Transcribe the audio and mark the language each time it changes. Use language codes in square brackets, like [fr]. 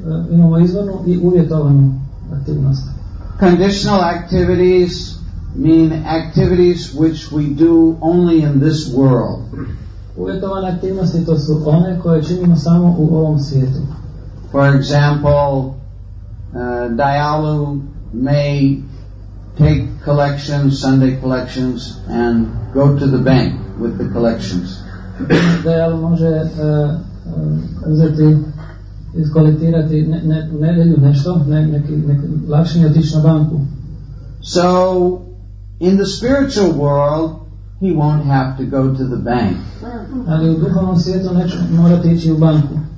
[hr] imamo izvornu i uvjetovanu aktivnost. [en] Conditional activities mean activities which we do only in this world. [hr] Uvjetovane aktivnosti, to su one koje činimo samo u ovom svijetu. [en] For example, Dayalu may take collections, Sunday collections, and go to the bank with the collections. [hr] Dayalu može uzeti, iskolektirati nedjelju nešto, lakšenje otići na banku. [en] So, in the spiritual world, he won't have to go to the bank. [hr] Ali u duhovnom svijetu neće morati ići u banku.